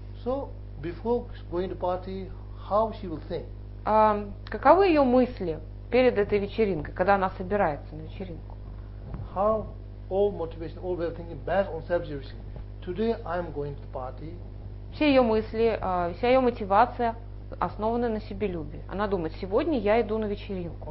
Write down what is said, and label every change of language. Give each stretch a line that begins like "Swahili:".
English: So before going to party, how she will think?
Russian: Каковы ее мысли перед этой вечеринкой, когда она собирается на вечеринку?
English: How all motivation, all way of thinking based on self-cherishing. Today I'm going to the party.
Russian: Все ее мысли, вся ее мотивация основана на себелюбии. Она думает, сегодня я иду на вечеринку.